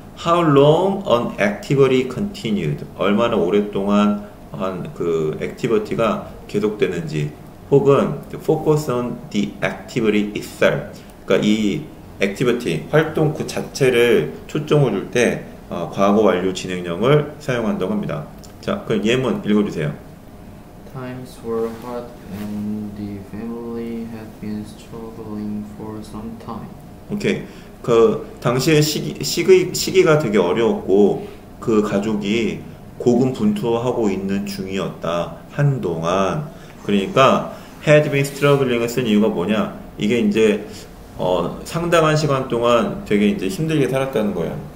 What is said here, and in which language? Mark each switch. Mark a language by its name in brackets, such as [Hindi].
[English] How long an activity continued? [Korean] 얼마나 오랫동안 한 그 activity가 계속되는지 혹은 [English] focus on the activity itself. [Korean] 그러니까 이 activity 활동 그 자체를 초점을 줄 때 과거 완료 진행형을 사용한다고 합니다. 자, 그럼 예문 읽어주세요. [English] Times were hard and the family had been struggling for some time. [Korean] 오케이. 그 당시에 시기가 되게 어려웠고 그 가족이 고군분투하고 있는 중이었다. 한동안. 그러니까 had been struggling을 쓴 이유가 뭐냐? 이게 이제 상당한 시간 동안 되게 이제 힘들게 살았다는 거야.